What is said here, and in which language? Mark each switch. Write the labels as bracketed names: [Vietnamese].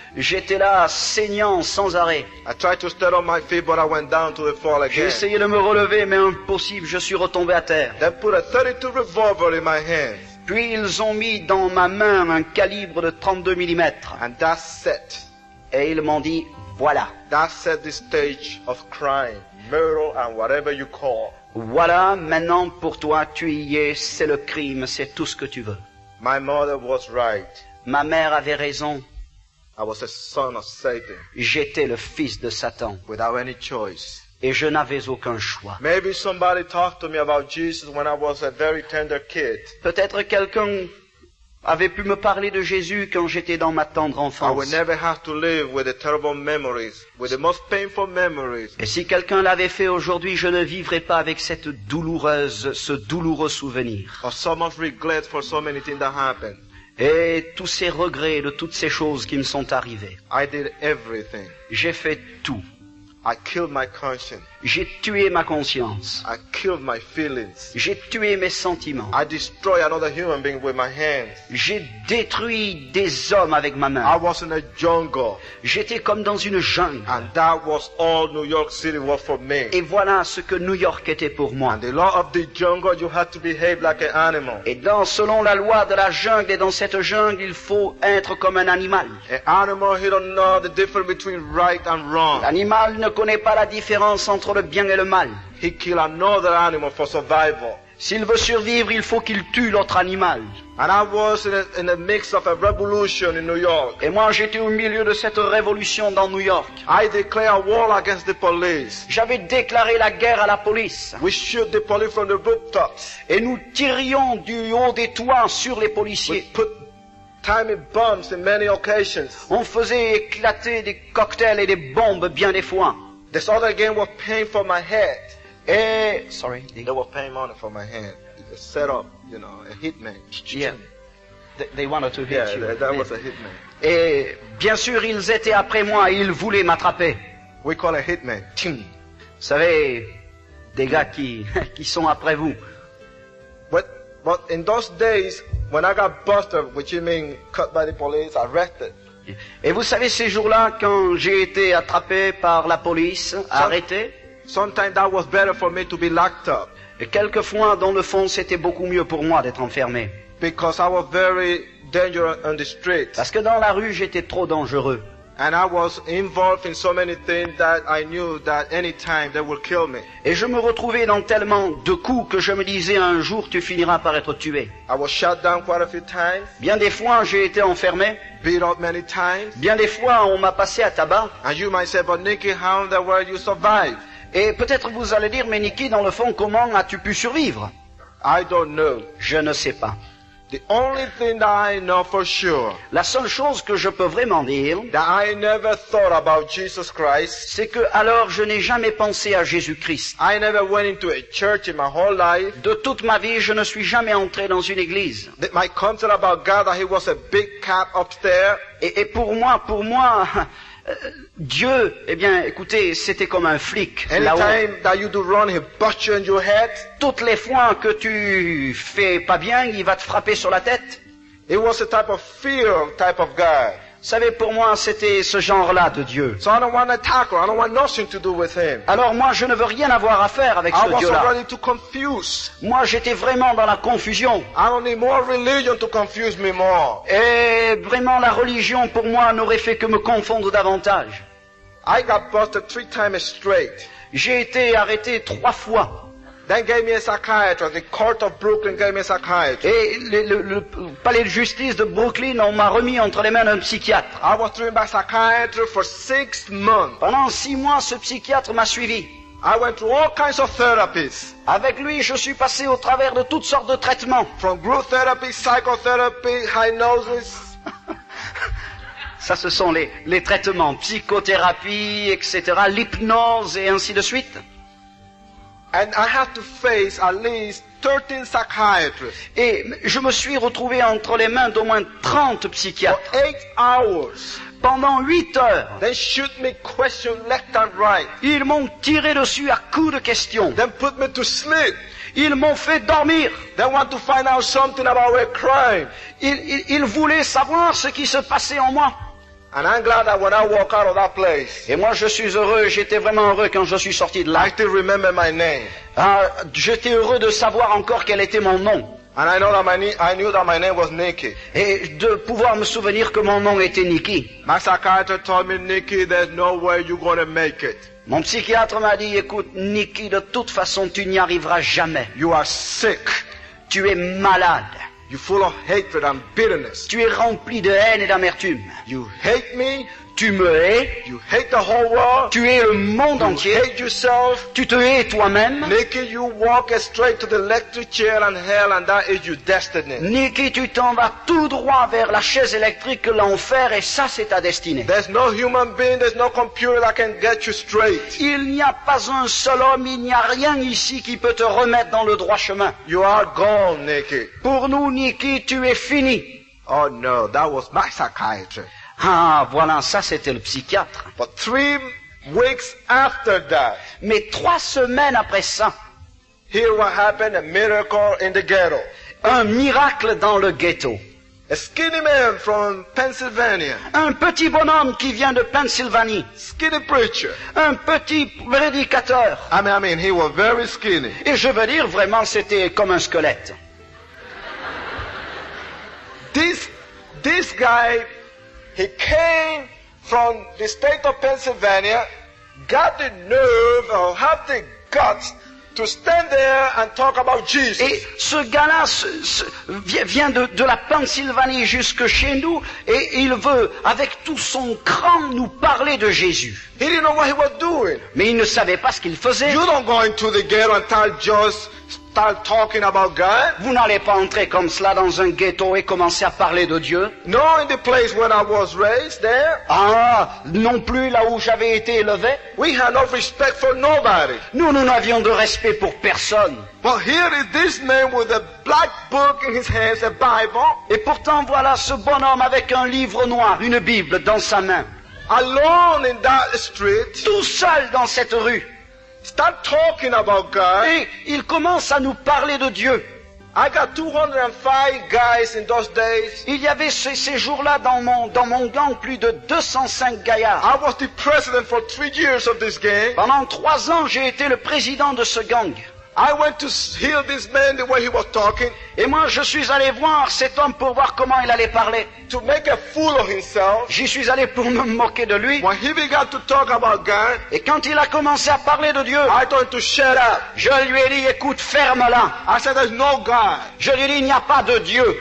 [French] J'étais là, saignant sans arrêt. J'ai essayé de me relever, mais impossible, je suis retombé à terre. [English] They put a 32 revolver in my hand. [French] Puis ils ont mis dans ma main un calibre de 32 mm. [English] And that's it. [French] Et ils m'ont dit, voilà. [English] That set the stage of crying, murder, and whatever you call. [French] Voilà, maintenant pour toi, tu y es, c'est le crime, c'est tout ce que tu veux. [English] My mother was right. [French] Ma mère avait raison. [English] I was a son of Satan. [French] J'étais le fils de Satan. [English] Without any choice. [French] Et je n'avais aucun choix. [English] Maybe somebody talked to me about Jesus when I was a very tender kid. [French] Peut-être quelqu'un avait pu me parler de Jésus quand j'étais dans ma tendre enfance. [English] I would never have to live with the terrible memories, with the most painful memories. [French] Et si quelqu'un l'avait fait aujourd'hui, je ne vivrais pas avec cette douloureuse, ce douloureux souvenir. [English] Or so much regret for so many things that happened. [French] Et tous ces regrets de toutes ces choses qui me sont arrivées. [English] I did everything. [French] J'ai fait tout. [English] I killed my conscience. [French] J'ai tué ma conscience. [English] I killed my feelings. [French] J'ai tué mes sentiments. [English] I destroyed another human being with my hands. [French] J'ai détruit des hommes avec ma main. [English] I was in a jungle. [French] J'étais comme dans une jungle. [English] And that was all New York City was for me. [French] Et voilà ce que New York était pour moi. [English] And the law of the jungle, you had to behave like an animal. [French] Et dans, selon la loi de la jungle, et dans cette jungle, il faut être comme un animal. [English] An animal, he don't know the difference between right and wrong. [French] L'animal ne connaît pas la différence entre le bien et le mal. [English] He killed another animal for survival. [French] S'il veut survivre, il faut qu'il tue l'autre animal. [English] And I was in a mix of a revolution in New York. [French] Et moi, j'étais au milieu de cette révolution dans New York. [English] I declared war against the police. [French] J'avais déclaré la guerre à la police. [English] We shoot the police from the rooftops. [French] Et nous tirions du haut des toits sur les policiers. [English] We put timing bombs in many occasions. [French] On faisait éclater des cocktails et des bombes bien des fois. [English] This other game was pain for my head. Eh, sorry. They were paying money for my hand. A setup, you know, a hitman. Yeah. They wanted to hit yeah, you. Yeah, that was a hitman. [French] Et bien sûr, ils étaient après moi. Ils voulaient m'attraper. [English] We call a hitman. Tchim. [French] Vous savez, des gars qui sont après vous. [English] But in those days, when I got busted, which you mean cut by the police, arrested. [French] Et vous savez, ces jours-là, quand j'ai été attrapé par la police, arrêté. [English] Sometimes that was better for me to be locked up. [French] Et quelquefois, dans le fond, c'était beaucoup mieux pour moi d'être enfermé. [English] Because I was very dangerous on the street. [French] Parce que dans la rue, j'étais trop dangereux. [English] And I was involved in so many things that I knew that any time they would kill me. [French] Et je me retrouvais dans tellement de coups que je me disais un jour tu finiras par être tué. [English] I was shot down quite a few times. [French] Bien des fois j'ai été enfermé. [English] Beat up many times. [French] Bien des fois on m'a passé à tabac. [English] And you might say, but Nicky, how in the world you survive? [French] Et peut-être vous allez dire, mais Nikki, dans le fond, comment as-tu pu survivre? [English] I don't know. [French] Je ne sais pas. [English] The only thing that I know for sure, [French] la seule chose que je peux vraiment dire, [English] that I never thought about Jesus Christ, [French] c'est que alors je n'ai jamais pensé à Jésus-Christ. [English] I never went into a church in my whole life. [French] De toute ma vie, je ne suis jamais entré dans une église. [English] My concept about God, that he was a big cat upstairs. [French] Et pour moi, Dieu, eh bien, écoutez, c'était comme un flic. [English] Anytime that you do wrong, he butts you on your head. [French] Toutes les fois que tu fais pas bien, il va te frapper sur la tête. [English] It was a type of fear type of guy. [French] Vous savez, pour moi, c'était ce genre-là de Dieu. [English] So I don't want to tackle. I don't want nothing to do with him. [French] Alors moi, je ne veux rien avoir à faire avec ce Dieu-là. [English] I was already too confused. [French] Moi, j'étais vraiment dans la confusion. [English] I don't need more religion to confuse me more. [French] Et vraiment, la religion pour moi n'aurait fait que me confondre davantage. [English] I got busted 3 times straight. [French] J'ai été arrêté 3 fois. [English] Then gave me a psychiatrist. The court of Brooklyn gave me a psychiatrist. [French] Et le palais de justice de Brooklyn, on m'a remis entre les mains d'un psychiatre. [English] I was treated by a psychiatrist for 6 months. [French] Pendant 6 mois, ce psychiatre m'a suivi. [English] I went through all kinds of therapies. [French] Avec lui, je suis passé au travers de toutes sortes de traitements. [English] From group therapy, psychotherapy, hypnosis. [French] Ça, ce sont les traitements, psychothérapie, etc., l'hypnose et ainsi de suite. [English] And I have to face at least 13 psychiatrists. [French] Et je me suis retrouvé entre les mains d'au moins 30 psychiatres. [English] For 8 hours. [French] Pendant 8 heures. [English] They shoot me questions left and right. [French] Ils m'ont tiré dessus à coups de questions. [English] Then put me to sleep. [French] Ils m'ont fait dormir. [English] They want to find out something about my crime. [French] Ils voulaient savoir ce qui se passait en moi. [English] And I'm glad that when I walk out of that place. [French] Et moi, je suis heureux. J'étais vraiment heureux quand je suis sorti de là. [English] I still remember my name. [French] J'étais heureux de savoir encore quel était mon nom. [English] And I know that I knew that my name was Nikki. [French] Et de pouvoir me souvenir que mon nom était Nikki. [English] My psychiatrist told me, Nikki, there's no way you're going to make it. [French] Mon psychiatre m'a dit, écoute, Nikki, de toute façon, tu n'y arriveras jamais. [English] You are sick. [French] Tu es malade. [English] You're full of hatred and bitterness. [French] Tu es rempli de haine et d'amertume. [English] You hate me. [French] Tu me hais. [English] You hate the whole world. [French] Tu hais le monde entier. [English] You hate yourself. [French] Tu te hais toi-même. [English] Nikki, you walk straight to the electric chair and hell, and that is your destiny. [French] Nikki, tu t'en vas tout droit vers la chaise électrique, l'enfer, et ça, c'est ta destinée. [English] There's no human being, there's no computer that can get you straight. [French] Il n'y a pas un seul homme, il n'y a rien ici qui peut te remettre dans le droit chemin. [English] You are gone, Nikki. [French] Pour nous, Nikki, tu es fini. [English] Oh no, that was my psychiatrist. [French] Ah, voilà, ça c'était le psychiatre. [English] But 3 weeks after that, [French] mais 3 semaines après ça, [English] here what happened, a miracle in the ghetto. [French] Un miracle dans le ghetto. [English] A skinny man from Pennsylvania. [French] Un petit bonhomme qui vient de Pennsylvanie. [English] Skinny preacher. [French] Un petit prédicateur. [English] I mean, he was very skinny. [French] Et je veux dire, vraiment, c'était comme un squelette. [English] This guy, he came from the state of Pennsylvania, got the nerve or had the guts to stand there and talk about Jesus. [French] Et ce gars-là vient de la Pennsylvanie jusque chez nous et il veut avec tout son cran nous parler de Jésus. [English] He didn't know what he was doing. [French] Mais il ne savait pas ce qu'il faisait. [English] You don't go into the ghetto and start talking about God. [French] Vous n'allez pas entrer comme cela dans un ghetto et commencer à parler de Dieu. [English] No, in the place where I was raised there. [French] Ah, non plus là où j'avais été élevé. [English] We had no respect for nobody. [French] Nous n'avions de respect pour personne. [English] But here is this man with a black book in his hands, a Bible. [French] Et pourtant voilà ce bonhomme avec un livre noir, une Bible dans sa main. [English] Alone in that street. [French] Tout seul dans cette rue. [English] Start talking about God. [French] Et il commence à nous parler de Dieu. [English] I got 205 guys in those days. [French] Il y avait ces jours-là dans mon gang plus de 205 gaillards. [English] I was the president for 3 years of this gang. [French] Pendant 3 ans, j'ai été le président de ce gang. [English] I went to hear this man the way he was talking. [French] Et moi, je suis allé voir cet homme pour voir comment il allait parler. [English] To make a fool of himself. [French] J'y suis allé pour me moquer de lui. [English] When he began to talk about God. [French] Et quand il a commencé à parler de Dieu. [English] I told him to shut up. [French] Je lui ai dit, écoute, ferme-la. [English] I said, there's no God. [French] Je lui ai dit, il n'y a pas de Dieu.